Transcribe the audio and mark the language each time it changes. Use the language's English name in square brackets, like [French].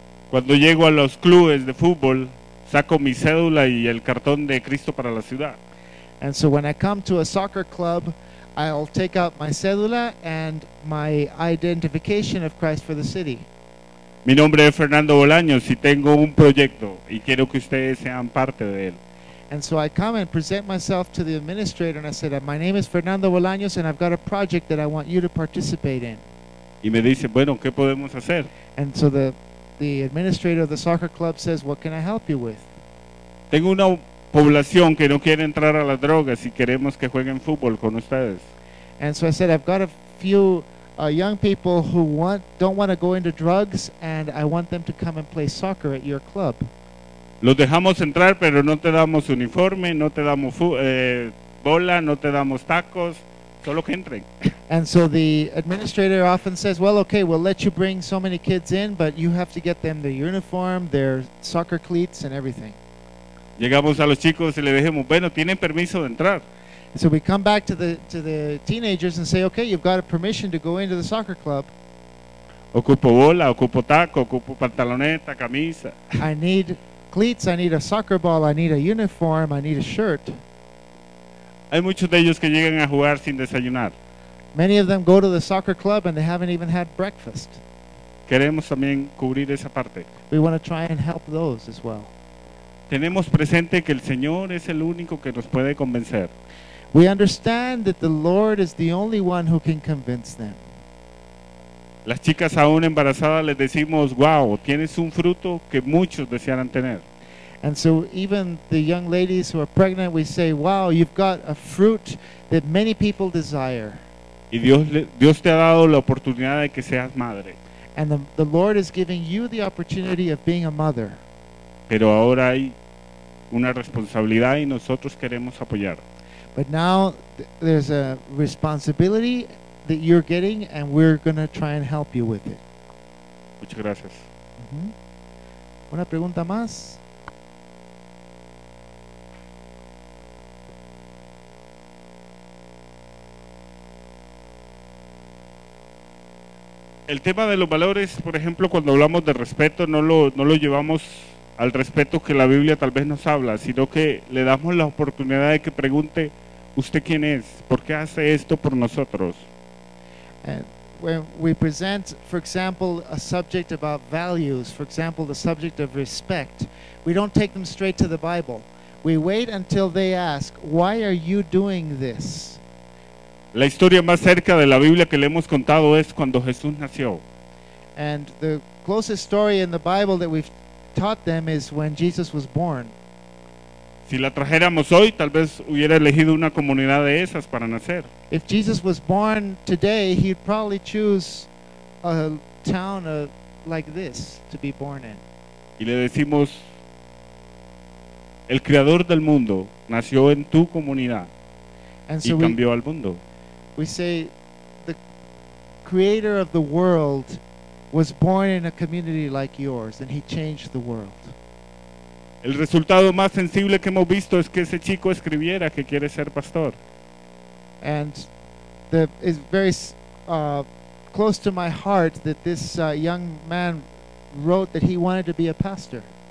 [Spanish] Cuando llego a los clubes de fútbol, saco mi cédula y el cartón de Cristo para la ciudad. [English] And so when I come to a soccer club, I'll take out my cédula and my identification of Christ for the city. [Spanish] Mi nombre es Fernando Bolaños y tengo un proyecto y quiero que ustedes sean parte de él. [English] And so I come and present myself to the administrator and I said, my name is Fernando Bolaños and I've got a project that I want you to participate in. [Spanish] Y me dice, bueno, ¿qué podemos hacer? [English] And so the administrator of the soccer club says, what can I help you with? [Spanish] Tengo una población que no quiere entrar a las drogas y queremos que jueguen fútbol con ustedes. [English] And so I said, I've got a few young people who don't want to go into drugs, and I want them to come and play soccer at your club. [Spanish] Los dejamos entrar, pero no te damos uniforme, no te damos bola, no te damos tacos, solo que entren. [English] And so the administrator often says, well, okay, we'll let you bring so many kids in, but you have to get them their uniform, their soccer cleats, and everything. [Spanish] Llegamos a los chicos y le dijimos, bueno, tienen permiso de entrar. [English] So we come back to the teenagers and say, okay, you've got a permission to go into the soccer club. [Spanish] Ocupo bola, ocupo taco, ocupo pantaloneta, camisa. [English] I need cleats, I need a soccer ball, I need a uniform, I need a shirt. [Spanish] Hay muchos de ellos que llegan a jugar sin desayunar. [English] Many of them go to the soccer club and they haven't even had breakfast. [Spanish] Queremos también cubrir esa parte. [English] We want to try and help those as well. [Spanish] Tenemos presente que el Señor es el único que nos puede convencer. [English] We understand that the Lord is the only one who can convince them. [Spanish] Las chicas aún embarazadas les decimos, wow, tienes un fruto que muchos desearan tener. [English] And so even the young ladies who are pregnant, we say, wow, you've got a fruit that many people desire. [Spanish] Y Dios te ha dado la oportunidad de que seas madre. [English] And the Lord is giving you the opportunity of being a mother. [Spanish] Pero ahora hay una responsabilidad y nosotros queremos apoyar. [English] But now there's a responsibility that you're getting, and we're going to try and help you with it. [Spanish] Muchas gracias. ¿Una pregunta más? El tema de los valores, por ejemplo, cuando hablamos de respeto, no lo llevamos al respeto que la Biblia tal vez nos habla, sino que le damos la oportunidad de que pregunte, ¿usted quién es? ¿Por qué hace esto por nosotros? [English] And when we present, for example, a subject about values, for example, the subject of respect, we don't take them straight to the Bible. We wait until they ask, why are you doing this? [Spanish] La historia más cerca de la Biblia que le hemos contado es cuando Jesús nació. [English] And the closest story in the Bible that we've taught them is when Jesus was born. [Spanish] Si la trajéramos hoy, tal vez hubiera elegido una comunidad de esas para nacer. [English] If Jesus was born today, he'd probably choose a town like this to be born in. [Spanish] Y le decimos, el creador del mundo nació en tu comunidad y cambió al mundo. [English] We say, the creator of the world was born in a community like yours, and he changed the world. [Spanish] El resultado más sensible que hemos visto es que ese chico escribiera que quiere ser pastor. [English] And it's very close to my heart that this young man wrote that he wanted to be a pastor.